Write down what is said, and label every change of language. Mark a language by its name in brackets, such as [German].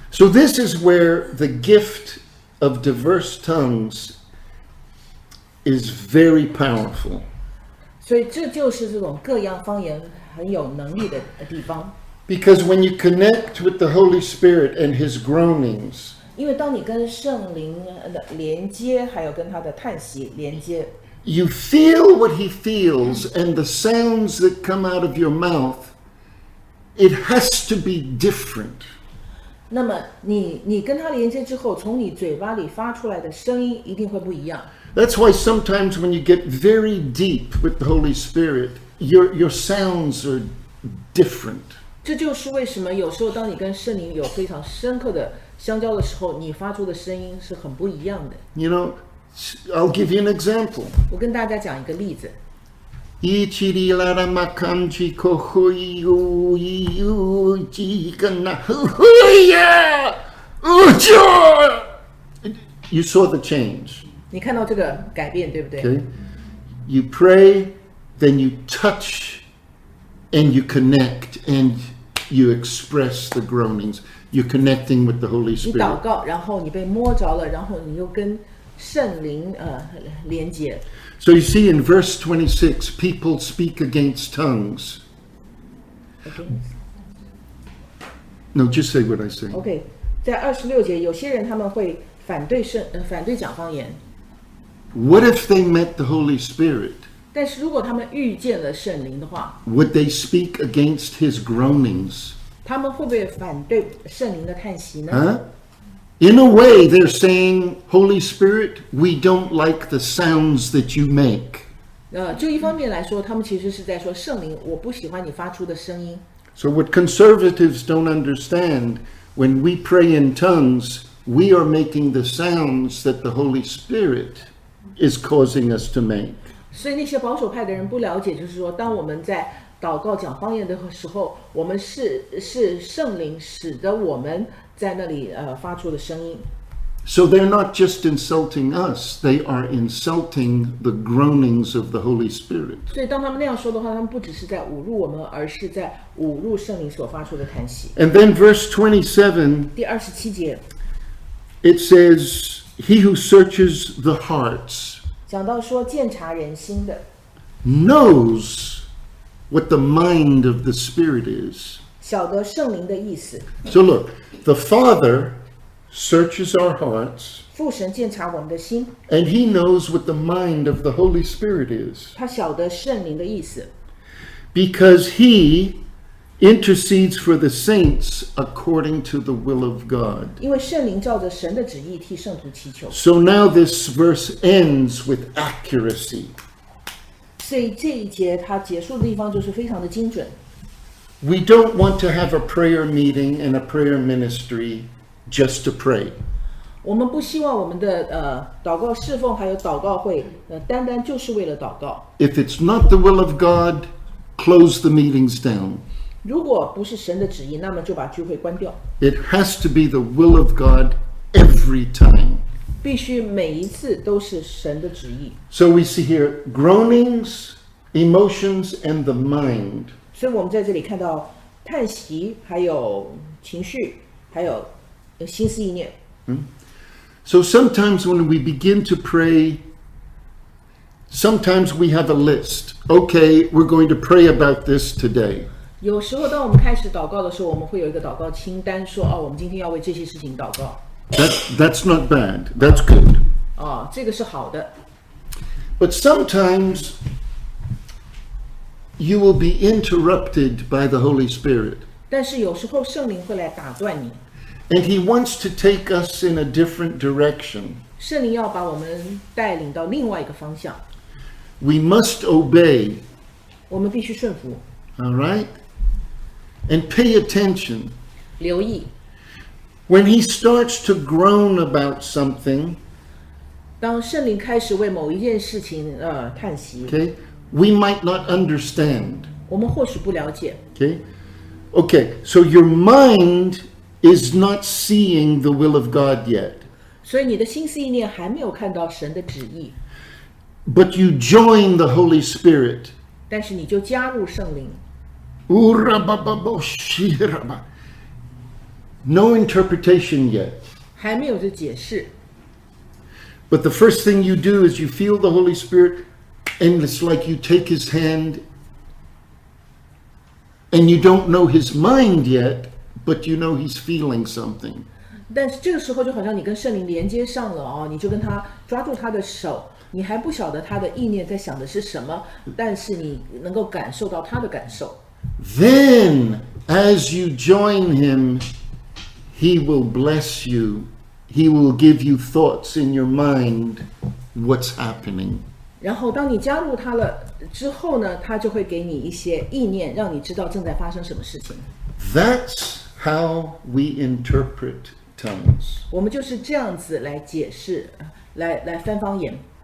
[English] So this is where the gift of diverse tongues is very powerful. [Chinese] 所以这就是这种各样方言很有能力的地方。 [English] Because when you connect with the Holy Spirit and His groanings, [Chinese] 因为当你跟圣灵的连接，还有跟他的叹息连接， [English] you feel what He feels, and the sounds that come out of your mouth, it has to be different. [Chinese] 那么你跟他连接之后，从你嘴巴里发出来的声音一定会不一样。 [English] That's why sometimes when you get very deep with the Holy Spirit, your sounds are different. [Chinese] 这就是为什么有时候当你跟圣灵有非常深刻的相交的时候，你发出的声音是很不一样的。 [English] You know, I'll give you an example. [Chinese] 我跟大家讲一个例子。一七里拉拉玛康吉可呼伊呜伊呜吉根呐呼呀呜呀 ！ [English] You saw the change. [Chinese] 你看到这个改变，对不对 [English] ？Okay. You pray, then you touch. And you connect, and you express the groanings. You're connecting with the Holy Spirit. [Chinese] 你祷告，然后你被摸着了，然后你又跟圣灵连接。 [English] So you see, in verse 26, people speak against tongues. No, just say what I say. Okay. [Chinese] 在26节，有些人他们会反对圣，反对讲方言。 [English] What if they met the Holy Spirit? [Chinese] 但是如果他们遇见了圣灵的话， [English] Would they speak against his groanings? [Chinese] 他们会不会反对圣灵的叹息呢？ [English] In a way, they're saying, Holy Spirit, we don't like the sounds that you make. [Chinese] 就一方面来说，他们其实是在说，圣灵，我不喜欢你发出的声音。 [English] So what conservatives don't understand, when we pray in tongues, we are making the sounds that the Holy Spirit is causing us to make. [Chinese] 所以那些保守派的人不了解，就是说，当我们在祷告讲方言的时候，我们 是圣灵使得我们在那里发出的声音。 [English] So they're not just insulting us, they are insulting the groanings of the Holy Spirit. [Chinese] 所以当他们那样说的话，他们不只是在侮辱我们，而是在侮辱圣灵所发出的叹息。 [English] And then verse 27, [Chinese] 第27节， [English] it says, He who searches the hearts, [Chinese] 讲到说鉴察人心的， [English] knows what the mind of the Spirit is. [Chinese] 晓得圣灵的意思。 [English] So look, the Father searches our hearts, [Chinese] 父神鉴察我们的心, [English] and he knows what the mind of the Holy Spirit is. [Chinese] 他晓得圣灵的意思。 [English] Because he intercedes for the saints according to the will of God. [Chinese] 因为圣灵照着神的旨意替圣徒祈求。 [English] So now this verse ends with accuracy. [Chinese] 所以这一节它结束的地方就是非常的精准。 [English] We don't want to have a prayer meeting and a prayer ministry just to pray. [Chinese] 我们不希望我们的祷告侍奉还有祷告会单单就是为了祷告。 [English] If it's not the will of God, close the meetings down. [Chinese] 如果不是神的旨意，那么就把聚会关掉。 [English] It has to be the will of God every time. [Chinese] 必须每一次都是神的旨意。 [English] So we see here groanings, emotions, and the mind. [Chinese] 所以我们在这里看到叹息，还有情绪，还有心思意念。嗯。 [English] So sometimes when we begin to pray, sometimes we have a list. Okay, we're going to pray about this today. [Chinese] 有时候当我们开始祷告的时候，我们会有一个祷告清单，说哦，我们今天要为这些事情祷告。 [English] That's not bad. That's good. [Chinese] 哦，这个是好的。 [English] But sometimes. You will be interrupted by the Holy Spirit. [Chinese] 但是有时候圣灵会来打断你。 [English] And he wants to take us in a different direction. [Chinese] 圣灵要把我们带领到另外一个方向。 [English] We must obey. [Chinese] 我们必须顺服。 [English] All right? And pay attention. [Chinese] 留意。 [English] When he starts to groan about something, [Chinese] 当圣灵开始为某一件事情叹息。 [English] Okay? We might not understand. [Chinese] 我们或许不了解。 [English] Okay? Okay, so your mind is not seeing the will of God yet. [Chinese] 所以你的心思意念还没有看到神的旨意。 [English] But you join the Holy Spirit. [Chinese] 但是你就加入圣灵。 [English] Urababoshiraba. No interpretation yet. [Chinese] 还没有这解释。 [English] But the first thing you do is you feel the Holy Spirit... And it's like you take his hand and you don't know his mind yet, but you know he's feeling something. [Chinese] 但是这个时候就好像你跟圣灵连接上了哦，你就跟他抓住他的手，你还不晓得他的意念在想的是什么，但是你能够感受到他的感受。 [English] Then, as you join him, he will bless you. He will give you thoughts in your mind what's happening. [Chinese] 然后当你加入他了之后呢，他就会给你一些意念，让你知道正在发生什么事情。 [English] That's how we interpret tongues. [Chinese] 我们就是这样子来解释，来翻方言。